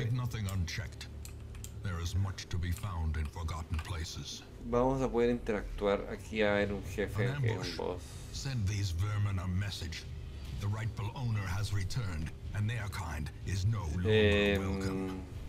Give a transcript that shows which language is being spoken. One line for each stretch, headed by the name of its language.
English: Leave nothing unchecked. There is much to be found in forgotten places.
Spanish: Vamos a poder interactuar aquí a ver un jefe, un boss.
English: Send these vermin a message. The rightful owner has returned, and their kind is no longer welcome.